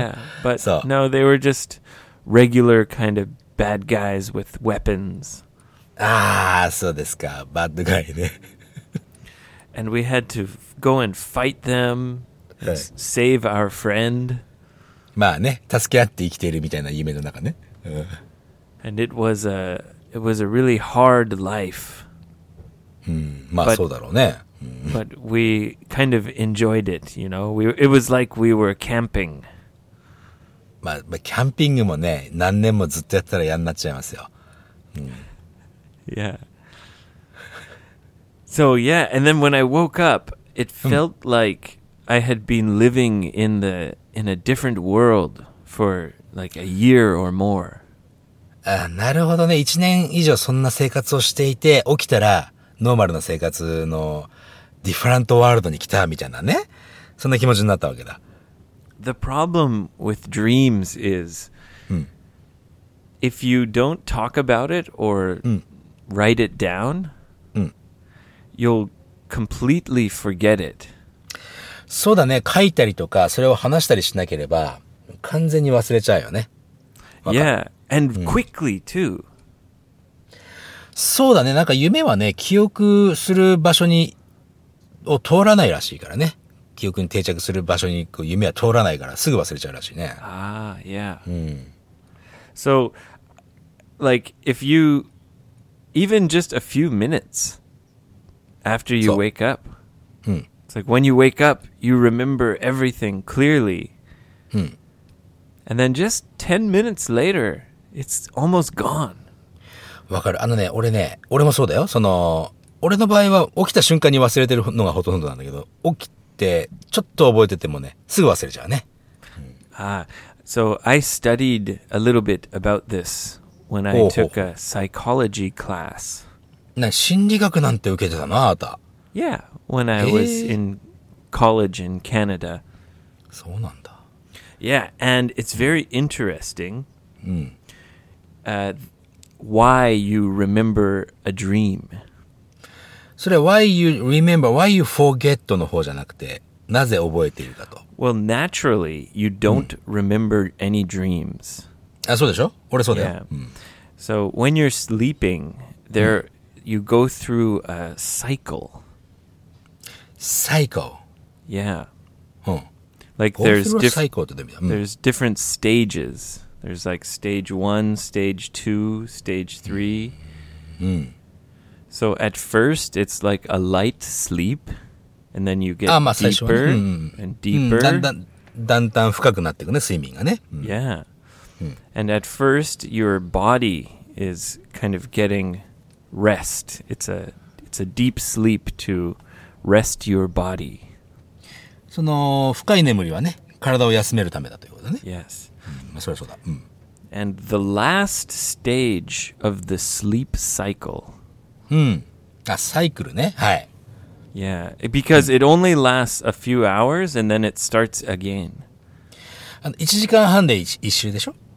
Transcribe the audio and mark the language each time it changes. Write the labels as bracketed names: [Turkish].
[English] Yeah, but no, they were just regular kind of bad guys with weapons. [Japanese] Ah, そうですか。 [English] Bad guy [Japanese] ね。 [English] And we had to go and fight them and save our friend. [Japanese] まあね、助け合って生きているみたいな夢の中ね。 [English] And it was a really hard life. [Japanese] まあ but, そうだろうね。 [English] But we kind of enjoyed it, you know. It was like we were camping. [Japanese] まあ、キャンピングもね、何年もずっとやったら嫌になっちゃいますよ。 [English] Yeah. So yeah, and then when I woke up, it felt like I had been living in a different world for like a year or more. [Japanese] Ah, なるほどね。 1年以上そんな生活をしていて、起きたらノーマルな生活のディファレントワールドに来たみたいなね。そんな気持ちになったわけだ。 [English] The problem with dreams is, if you don't talk about it or write it down,You'll completely forget it. [Japanese] そうだね。書いたりとか、それを話したりしなければ、完全に忘れちゃうよね。 [English] Yeah, and quickly too. [Japanese] そうだね。なんか夢はね、記憶する場所に、を通らないらしいからね。記憶に定着する場所に、こう夢は通らないから、すぐ忘れちゃうらしいね。 [English] ああ、yeah. So, like, if you, even just a few minutes,After you wake up,、it's like when you wake up, you remember everything clearly.、And then just 10 minutes later, it's almost gone. [Japanese] わかる。あのね、俺ね、俺もそうだよ。その、俺の場合は起きた瞬間に忘れてるのがほとんどなんだけど、起きてちょっと覚えててもね、すぐ忘れちゃうね。 [English] So I studied a little bit about this when I took a psychology class. [Japanese] 心理学なんて受けてたな、あた。 [English] Yeah, when I was in college in Canada. [Japanese] そうなんだ。 [English] Yeah, and it's very interesting why you remember a dream. [Japanese] それは [English] why you remember, why you forget [Japanese] の方じゃなくて、なぜ覚えているかと。 [English] Well, naturally, you don't remember any dreams. [Japanese] あ、そうでしょ？俺そうだよ。 [English] Yeah. So when you're sleeping, there... You go through a cycle. Cycle. Yeah. Like there's different stages. There's like stage one, stage two, stage three. So at first it's like a light sleep, and then you get deeper and deeper. [Japanese] だんだん深くなっていくね、睡眠がね。 [English] Yeah. And at first your body is kind of getting. Rest. It's a deep sleep to rest your body. [Japanese] その深い眠りはね、体を休めるためだということね。 [English] Yes. [Japanese] まあ、それはそうだ。 [English] And the last stage of the sleep cycle. [Japanese] あ、サイクルね。はい。 [English] Yeah. Because it only lasts a few hours and then it starts again. [Japanese] 1時間半で一周でしょ？